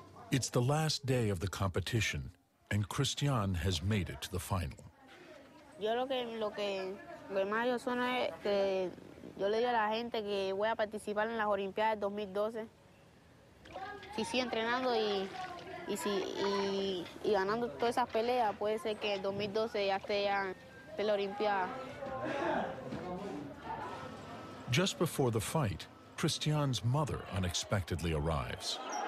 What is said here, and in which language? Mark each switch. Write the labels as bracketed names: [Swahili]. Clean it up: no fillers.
[English] It's the last day of the competition, and Christian has made it to the final. [Spanish] Yo lo que más yo sueno es que yo le digo a la gente que voy a participar en las Olimpiadas 2012. Si sigo entrenando y ganando todas esas peleas, puede ser que en 2012 ya esté ya en la Olimpiada. [English] Just before the fight, Christian's mother unexpectedly arrives.